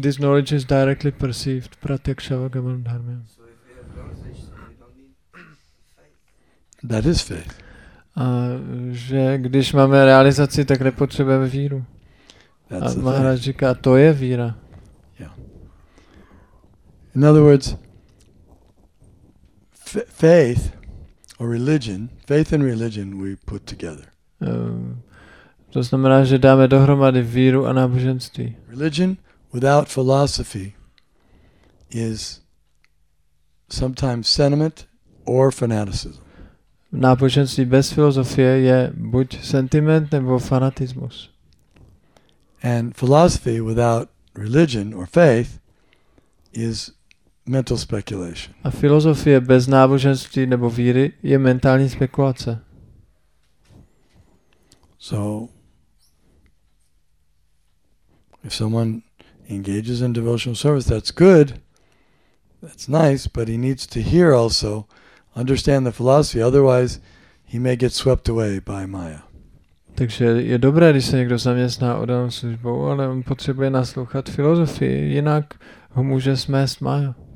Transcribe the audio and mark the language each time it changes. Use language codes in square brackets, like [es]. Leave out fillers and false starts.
[en] This knowledge is directly perceived pratyaksha vagaman dharma. So if we have realization, we don't need faith. That is faith. [cs] Že když máme realizaci, tak nepotřebujeme víru. That's a Maharaj říká, to je víra. [en] Yeah. In other words, faith or religion, faith and religion we put together. [cs] To znamená, že dáme dohromady víru a náboženství. [en] Religion without philosophy is sometimes sentiment or fanaticism. [cs] Náboženství bez filozofie je buď sentiment nebo fanatismus. [en] And philosophy without religion or faith is mental speculation. [cs] A filozofie bez náboženství nebo víry je mentální spekulace. [en] So if someone engages in devotional service, that's good. That's nice, but he needs to hear also, understand the philosophy, otherwise he may get swept away by Maya. [cs] Takže je dobré, když se někdo zaměstná odanou službou, ale on potřebuje naslouchat filozofii, jinak ho může smést Maya.